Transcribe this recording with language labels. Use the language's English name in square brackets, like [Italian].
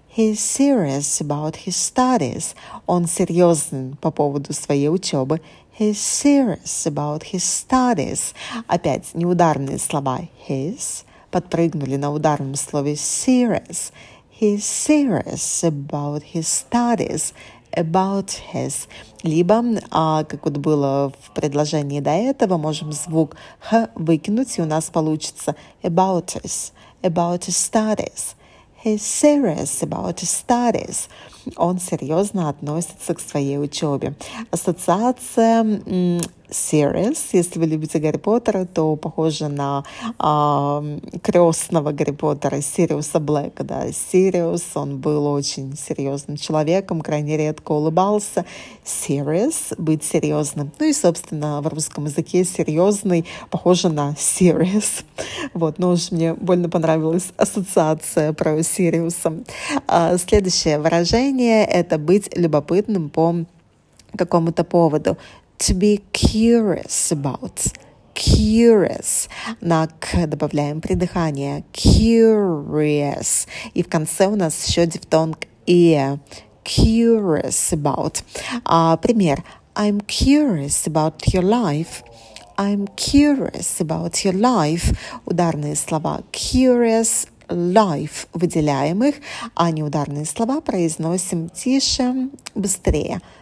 [English] He's serious about his studies. [Russian] Он серьезен по поводу своей учебы. [English] He's serious about his studies. [Russian] Опять неударные слова. His. Подпрыгнули на ударном слове serious. [English] He's serious about his studies. About his. [Russian] Либо, как вот было в предложении до этого, можем звук х выкинуть, и у нас получится about his. [English] About his studies. He's serious about his studies. [Russian] Он серьезно относится к своей учебе. Ассоциация serious, если вы любите Гарри Поттера, то похоже на крестного Гарри Поттера, Сириуса Блэка. Да? Сириус, он был очень серьезным человеком, крайне редко улыбался. Serious, быть серьезным. Ну и, собственно, в русском языке серьезный похоже на serious. Вот, но уж мне больно понравилась ассоциация про Сириуса. Следующее выражение — это быть любопытным по какому-то поводу. [English] To be curious about. Curious. [Russian] На «к» добавляем придыхание. [English] Curious. [Russian] И в конце у нас еще дифтонг «е». [English] Curious about. [Russian] Пример. [English] I'm curious about your life. I'm curious about your life. [Russian] Ударные слова. Curious. Life. Выделяем их. А неударные слова произносим тише, быстрее.